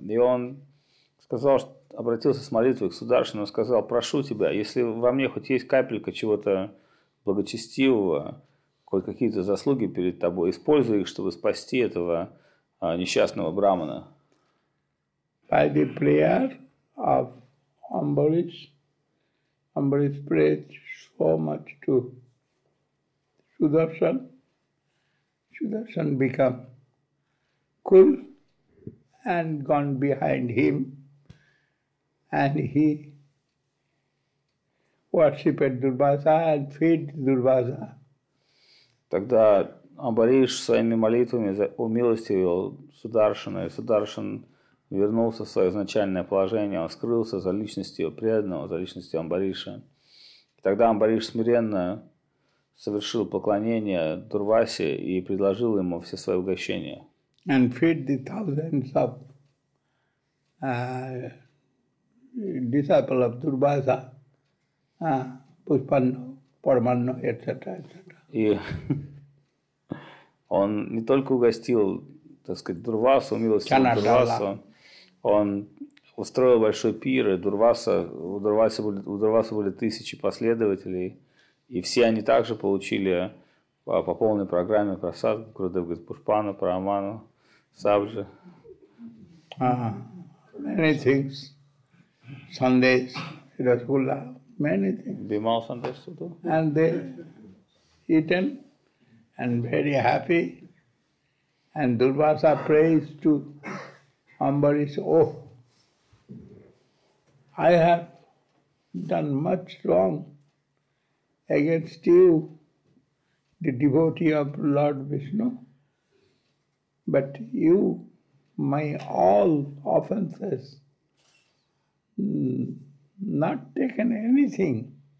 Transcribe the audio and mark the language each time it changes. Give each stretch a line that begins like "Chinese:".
Russian: И он сказал, что обратился с молитвой к Сударшану, сказал, прошу тебя, если во мне хоть есть капелька чего-то благочестивого, хоть какие-то заслуги перед тобой, используй их, чтобы спасти этого несчастного брахмана.
English: By the prayer of Ambarish, Ambarish prayed so much to Sudarshan. Sudarshan became cool and gone behind him. And he worshipped Durvasa and feed Durvasa.
Russian: Тогда Амбариш своими молитвами умилостивил Сударшана, и Сударшан вернулся в свое изначальное положение, он скрылся за личностью преданного, за личностью Амбариша. Тогда Амбариш смиренно совершил поклонение Дурвасе и предложил ему все свои угощения.
English: And feed the thousands of disciple of Durvasa, Pushpanna, Paramanna, etc., etc.
Russian: И он не только угостил, так сказать, Дурвасу, умилостивил Дурвасу, он устроил большой пир, и у Дурвасы были тысячи последователей, и все они также получили по полной программе просад, Гурудев говорит, Пушпану, Параману, Сабджи.
English: Many things. Sandesh, Rasgulla, many things. Bimal Sandesh too. And they eaten and very happy. And Durvasa prays to Ambarish, oh, I have done much wrong against you, the devotee of Lord Vishnu, but you, my all offenses, not taken anything,